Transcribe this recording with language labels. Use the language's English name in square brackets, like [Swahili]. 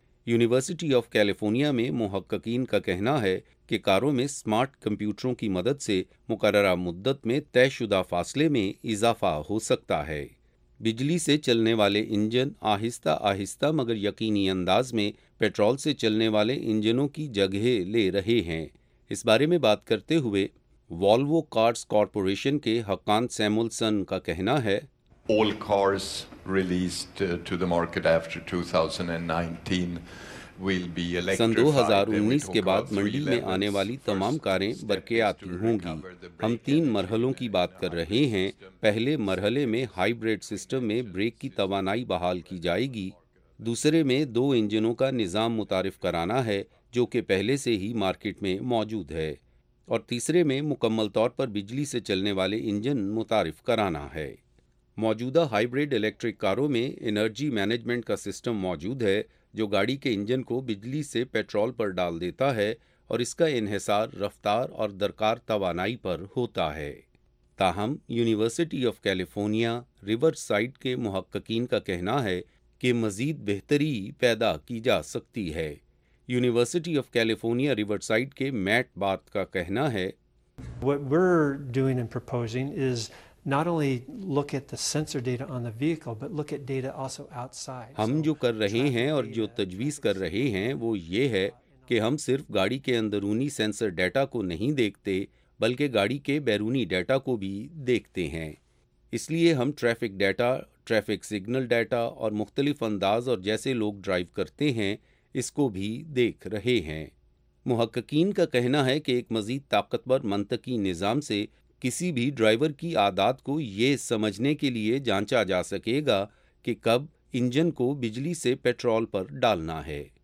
[Urdu] University of California میں محققین کا کہنا ہے کہ کاروں میں سمارٹ کمپیوٹروں کی مدد سے مقررہ مدت میں طے شدہ فاصلے میں اضافہ ہو سکتا ہے۔ بجلی سے چلنے والے انجن آہستہ آہستہ مگر یقینی انداز میں پیٹرول سے چلنے والے انجنوں کی جگہ لے رہے ہیں۔ اس بارے میں بات کرتے ہوئے والوو کارز کارپوریشن کے حکان سیمولسن کا کہنا ہے، [English] All cars released to the market after 2019 will be electrified. [Urdu] سن 2019 کے بعد منڈی میں آنے والی تمام کاریں برقیاتی ہوں گی۔ ہم تین مرحلوں کی بات کر رہے ہیں۔ پہلے مرحلے میں ہائیبرڈ سسٹم میں بریک کی توانائی بحال کی جائے گی۔ دوسرے میں دو انجنوں کا نظام متعارف کرانا ہے جو کہ پہلے سے ہی مارکیٹ میں موجود ہے، اور تیسرے میں مکمل طور پر بجلی سے چلنے والے انجن متعارف کرانا ہے۔ موجودہ ہائیبرڈ الیکٹرک کاروں میں انرجی مینجمنٹ کا سسٹم موجود ہے جو گاڑی کے انجن کو بجلی سے پیٹرول پر ڈال دیتا ہے، اور اس کا انحصار رفتار اور درکار توانائی پر ہوتا ہے۔ تاہم university of California river side کے محققین کا کہنا ہے کہ مزید بہتری پیدا کی جا سکتی ہے۔ University of California river side کے میٹ بات کا کہنا ہے، [English] What we're doing and proposing is not only look at the sensor data on the vehicle but look at data also outside. [Urdu] ہم جو کر رہے ہیں اور جو تجویز کر رہے ہیں وہ یہ ہے کہ ہم صرف گاڑی کے اندرونی سینسر ڈیٹا کو نہیں دیکھتے بلکہ گاڑی کے بیرونی ڈیٹا کو بھی دیکھتے ہیں۔ اس لیے ہم traffic data, traffic signal data اور مختلف انداز اور جیسے لوگ ڈرائیو کرتے ہیں اس کو بھی دیکھ رہے ہیں۔ محققین کا کہنا ہے کہ ایک مزید طاقتور منطقی نظام سے کسی بھی ڈرائیور کی عادات کو یہ سمجھنے کے لیے جانچا جا سکے گا کہ کب انجن کو بجلی سے پیٹرول پر ڈالنا ہے۔